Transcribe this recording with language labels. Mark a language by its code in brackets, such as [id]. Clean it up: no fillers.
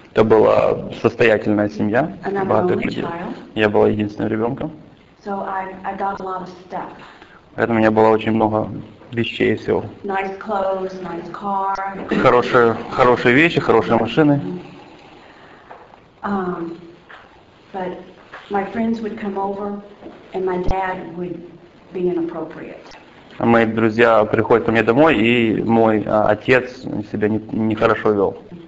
[ru] Это была состоятельная семья, богатых людей. [en] Child. [ru] Я была единственным ребенком. [en] So I got a lot of stuff. [ru] Поэтому у меня было очень много вещей и всего. [en] Nice clothes, nice car. [ru] Хорошие вещи, хорошие машины. [en] But my friends would come over, and my dad would be inappropriate. [ru] Мои друзья приходят ко мне домой, и мой отец себя нехорошо вел.